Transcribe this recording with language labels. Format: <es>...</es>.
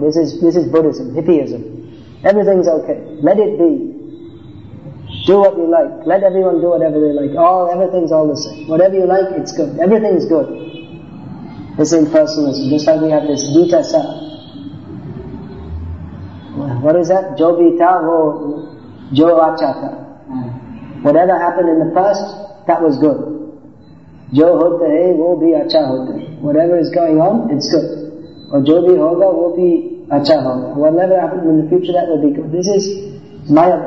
<en>This is Buddhism, hippieism. Everything's okay. Let it be. Do what you like. Let everyone do whatever they like. Everything's all the same. Whatever you like, it's good. Everything's good. This impersonalism, just like we have this Gita Sa. What is that?</en> <hi>जो विटा हो जो अचता।</hi> <en>Whatever happened in the past, that was good.</en> <hi>जो होता है, वो भी अच्छा होता है।</hi> <en>Whatever is going on, it's good.</en> <hi>और जो भी होगा, वो भी अच्छा होगा।</hi> <en>Whatever happens in the future, that will be good. This is maya.</en>